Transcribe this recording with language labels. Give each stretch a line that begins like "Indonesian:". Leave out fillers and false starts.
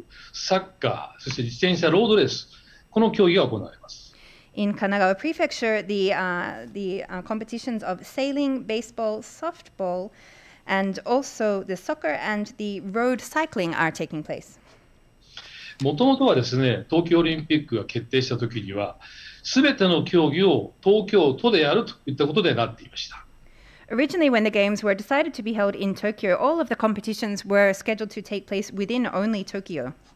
Japanese: 神奈川県ではですね、セーリング、そして野球、ソフトボール、サッカー、そして自転車、ロードレース、 この 競技が 行われます。
English: In Kanagawa Prefecture, the competitions of sailing, baseball, softball, and also the soccer and the road cycling are taking place.
Japanese: もともとはですね、東京オリンピックが決定した時には、すべての競技を東京都でやるといったことでなっていました。
English: Originally, when the games were decided to be held in Tokyo, all of the competitions were scheduled to take place within only Tokyo.